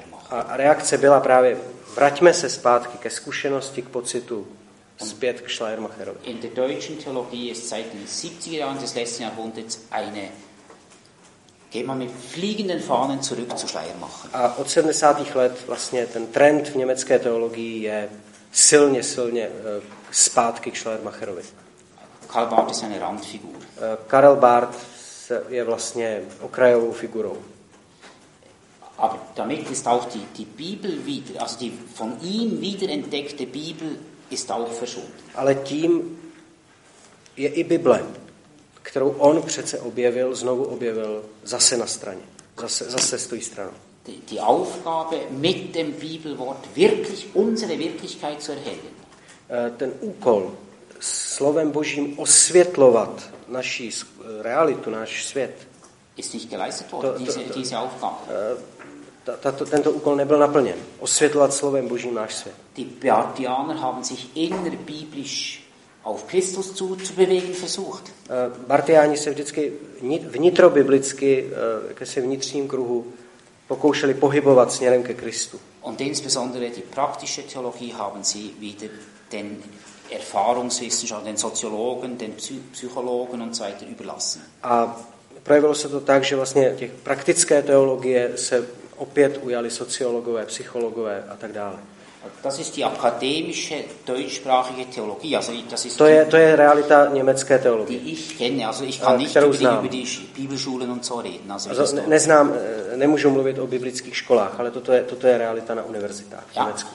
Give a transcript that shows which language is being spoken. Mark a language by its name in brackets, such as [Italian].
[Czech] A reakce byla právě, vraťme se zpátky ke zkušenosti, k pocitu, zpět k Schleiermacherovi. [German] In der deutschen Theologie ist seit den 70er Jahren des letzten Jahrhunderts eine geht man mit fliegenden Fahnen zurück zu Schleiermacher. [Czech] A od 70. let vlastně ten trend v německé teologii je silně, silně zpátky k Schleiermacherovi. [German] Karl Barth ist eine Randfigur. [Czech] Karel Barth je vlastně okrajovou figurou. [German] Aber damit ist auch die Bibel wieder, also die von ihm wiederentdeckte Bibel ist auch verschont. [Czech] Ale tím je i Bible, kterou on přece objevil, znovu objevil, zase na straně, zase stojí stranou. [German] Die Aufgabe mit dem Bibelwort wirklich unsere Wirklichkeit zu erhellen. [Czech] Ten úkol slovem Božím osvětlovat naši realitu, náš svět. [German] Ist nicht geleistet worden, diese Aufgabe. [Czech] Tento úkol nebyl naplněn. Osvětlovat slovem Božím náš svět. [German] Die Barthianer haben sich innerbiblisch auf Christus zu bewegen versucht. [Czech] Barthiáni se vždycky vnitrobiblicky ke se vnitřním kruhu pokoušeli pohybovat směrem ke Kristu. [German] Und insbesondere die praktische Theologie haben sie wieder den Erfahrungswissenschaften, den Soziologen, den Psychologen und so weiter überlassen. [Czech] A projevilo se to tak, že vlastně těch praktické teologie se opět ujali sociologové, psychologové a tak dále. [German] Das ist die akademische deutschsprachige Theologie, also das ist [Czech] To je realita německé teologie. [German] Die ich kenne, also ich kann nicht über die Bibelschulen und so reden, also [Czech] neznám, nemůžu mluvit o biblických školách, ale toto je realita na univerzitách v Německu.